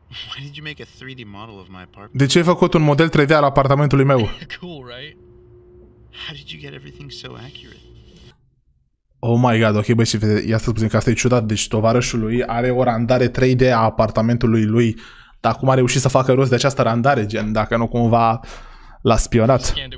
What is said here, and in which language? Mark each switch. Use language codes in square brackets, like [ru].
[en] Why did you make a 3D model of my apartment? [ro] De ce ai făcut un model 3D al apartamentului meu? [en] Cool, right? How did you get everything so accurate? [ro] Oh my god, ok, băi, și ia să spunem că asta e ciudat. Deci tovarășul lui are o randare 3D a apartamentului lui. Dar cum a reușit să facă rost de această randare, gen, dacă nu cumva l-a spionat?